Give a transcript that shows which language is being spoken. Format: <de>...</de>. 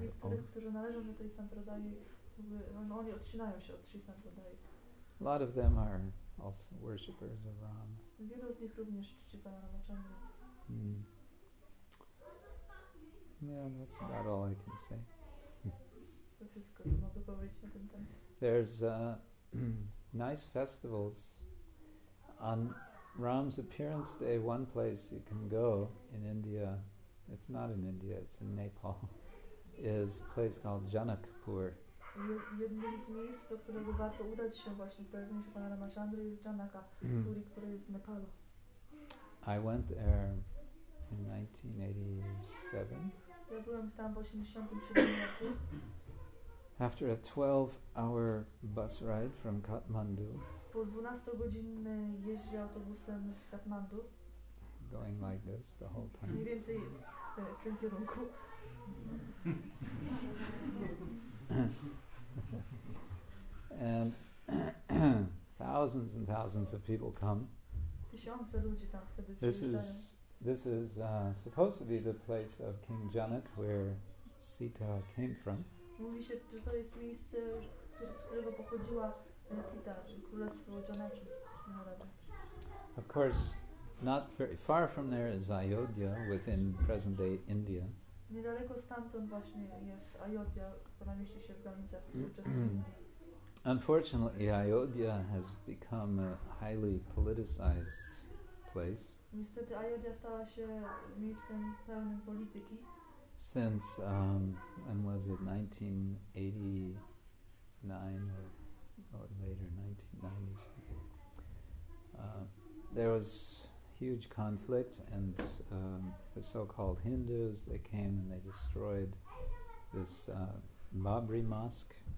<pl>niektórych, którzy należą do tej Sampradayi, oni odcinają się od Shri Sampradayi.</pl> <en>A lot of them are also worshippers of Ram.</en> <pl>Wielu z nich również czci pana Ramachandra.</pl> <en>Yeah, that's about all I can say.</en> <pl>To wszystko, co mogę powiedzieć na ten temat.</pl> <en>There's nice festivals on Ram's appearance day, one place you can go in India, it's not in India, it's in Nepal, is a place called Janakpur.</en> <pl>Jednym z miejsc, do którego warto udać się właśnie w pielgrzymce pana Ramachandry, jest Janakpuri, który jest w Nepalu.</pl> <en>I went there in 1987.</en> <pl>Ja byłem tam w 87 roku.</pl> <en>After a 12-hour bus ride from Kathmandu.</en> <pl>Po 12-godzinnej jeździe autobusem z Kathmandu.</pl> <en>Going like this the whole time.</en> <pl>Mniej więcej w tym kierunku.</pl> <en>And thousands and thousands of people come.</en> <pl>Tysiące ludzi tam wtedy przyjeżdżają.</pl> <en>This is supposed to be the place of King Janak, where Sita came from.</en> <pl>Mówi się, że to jest miejsce, z którego pochodziła Sita, królestwo Janaki.</pl> <en>Of course, not very far from there is Ayodhya, within present-day India.</en> <pl>Niedaleko stamtąd właśnie jest Ayodhya, która mieści się w granicach współczesnej Indii.</pl> <en>Unfortunately, Ayodhya has become a highly politicized place.</en> <pl>Niestety, Ayodhya stała się miejscem pełnym polityki.</pl> <en>Since, when was it, 1989 or later, 1990s. There was huge conflict, and the so-called Hindus, they came and they destroyed this Babri Mosque.</en>